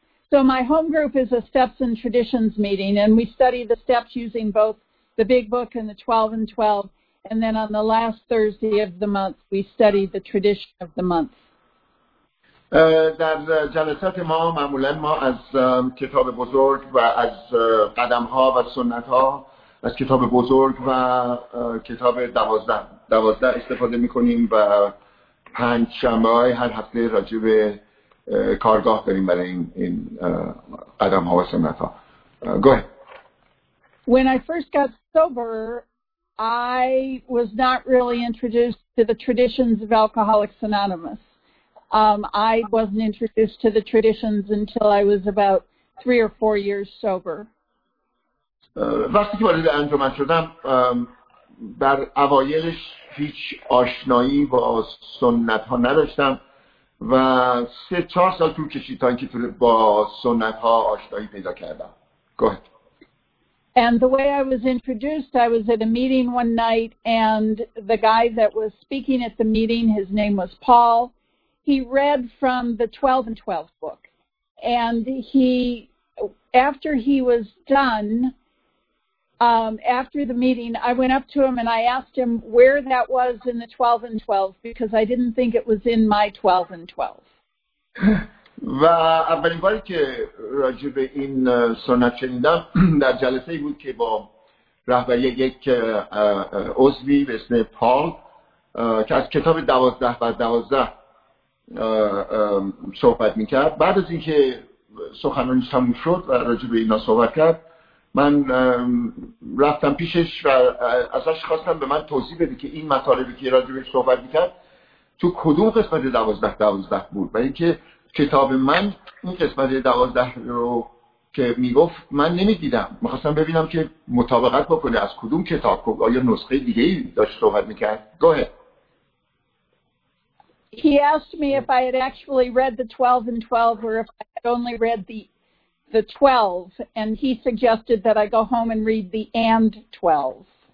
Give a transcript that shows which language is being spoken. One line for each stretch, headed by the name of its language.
English: So my home group is a Steps and Traditions meeting, and we study the steps using both the Big Book and the 12 and 12, and then on the last Thursday of the month, we study the tradition of the month.
Persian: در جلسات ما معمولا ما از کتاب بزرگ و از قدم‌ها و سنت‌ها از کتاب بزرگ و کتاب 12 استفاده می‌کنیم و پنج شنبه‌های هر هفته راجع به کارگاه داریم برای این قدم ها و سنت ها.
English: Go ahead. When I first got sober, I was not really introduced to the traditions of Alcoholics Anonymous. I wasn't introduced to the traditions until I was about 3 or 4 years sober.
Persian: وقتی که وارد انجمن شدم در اوایلش هیچ آشنایی با سنت ها نداشتم و 3-4 سال طول کشید تا اینکه با سنت‌ها آشنایی پیدا کردم.
English: Go ahead. And the way I was introduced, I was at a meeting one night and the guy that was speaking at the meeting, his name was Paul. He read from the 12 and 12 book. And he after he was done after the meeting, I went up to him and I asked him where that was in the 12 and 12 because I didn't think it was in my 12 and 12.
Persian: و اولین باری که راجع به این سنت شنیدم در جلسه بود که با رهبری یک عضوی به اسم پال که از کتاب 12 و 12 صحبت میکرد. بعد از اینکه سخنرانیش تموم شد و راجع به اینا صحبت کرد، من رفتم پیشش و ازش خواستم به من توضیح بده که این مطالبی که راجبش صحبت میکرد تو کدوم قسمت 12-12 بود، و اینکه کتاب من این قسمت 12 رو که میگفت من نمیدیدم. میخواستم ببینم که مطابقت بکنه از کدوم کتاب، آیا نسخه دیگه ای داشت صحبت میکرد.
English: Go ahead. He asked me if I had actually read the 12 and 12 or if I had only read the 12, and he suggested that I go home and read the and 12.